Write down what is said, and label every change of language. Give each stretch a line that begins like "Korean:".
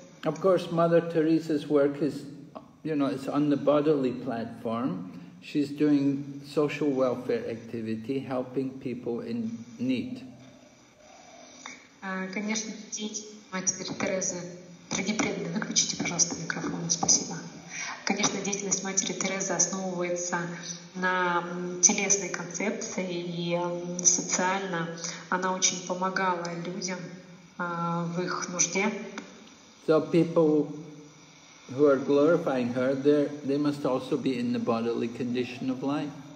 English: Of course, Mother Teresa's work is, you know, it's on the bodily platform. She's doing social welfare activity, helping people in need.
Russian: Конечно, Мать Терезы. Дорогие преданные, выключите, пожалуйста, микрофон. Спасибо. Конечно, деятельность Матери Терезы основывается на телесной концепции, и социально она очень помогала людям в их нужде.
English: So people who are glorifying her, they must also be in the bodily condition of life.